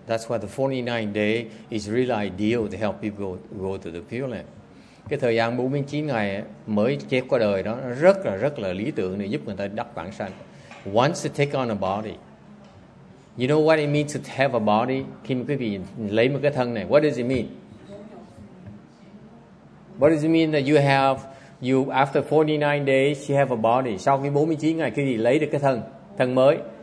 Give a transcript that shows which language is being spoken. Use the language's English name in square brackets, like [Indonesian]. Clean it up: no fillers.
[English] That's why the 49 day is really ideal to help people go to the Pure Land. [Vietnamese] Cái thời gian 49 ngày mới chết qua đời đó rất là lý tưởng để giúp người ta đắc vãng sanh. [English] Once to take on a body. You know what it means to have a body? [Vietnamese] Khi mà quý vị lấy một cái thân này, [English] what does it mean? What does it mean that you after 49 days you have a body? [Vietnamese] Sau khi 49 ngày quý vị lấy được cái thân mới.